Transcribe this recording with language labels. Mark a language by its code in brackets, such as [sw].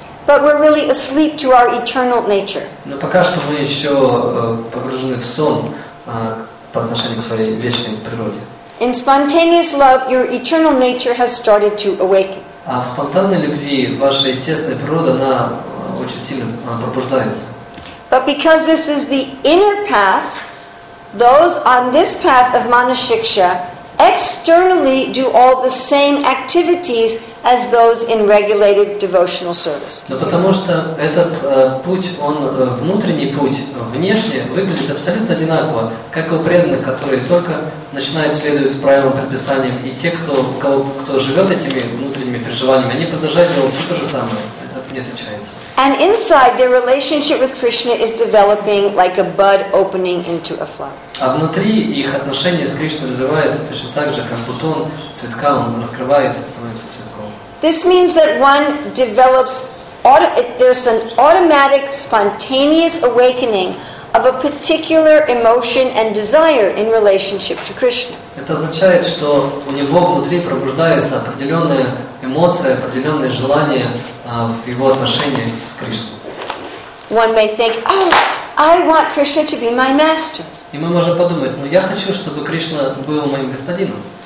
[en] But we're really asleep to our eternal nature. [ru] Но пока что мы еще погружены в сон. По отношению к своей вечной природе. [en] In spontaneous love, your eternal nature has started to awaken. [ru] А в спонтанной любви ваша естественная природа, она очень сильно пробуждается. [en] But because this is the inner path, those on this path of Manashiksha externally do all the same activities as those in regulated devotional service. [ru] Но потому что этот путь, он внутренний путь, внешне выглядит абсолютно одинаково, как и у преданных, которые только начинают следовать правилам, предписаниям, и те, кто живет этими внутренними переживаниями, они продолжают делать все то же самое. Это не отличается. [en] And inside, their relationship with Krishna is developing like a bud opening into a flower. [ru] А внутри их отношения с Кришной развиваются точно так же, как бутон цветка, он раскрывается, становится цветком. [en] This means that one develops, there's an automatic, spontaneous awakening of a particular emotion and desire in relationship to Krishna. [ru] Это означает, что у него внутри пробуждается определенная эмоция, определенное желание в его отношениях с Кришной. [en] One may think, "Oh, I want Krishna to be my master." [ru] И мы можем подумать, ну я хочу, чтобы Кришна был моим господином.